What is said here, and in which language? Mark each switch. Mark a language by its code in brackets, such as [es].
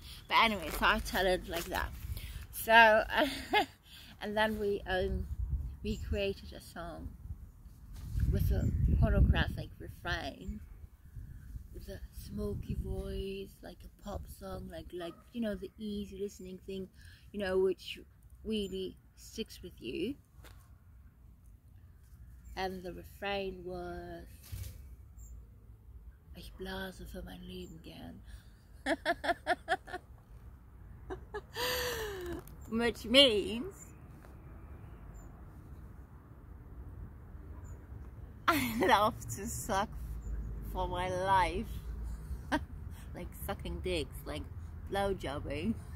[en] But anyway, so I tell it like that. So, and then we created a song with a pornographic refrain, with a smoky voice, like a pop song, like you know, the easy listening thing, you know, which really sticks with you. And the refrain was, [de] ich blase für mein Leben gern. [en] Which means I love to suck for my life. Like sucking dicks, like blowjobbing.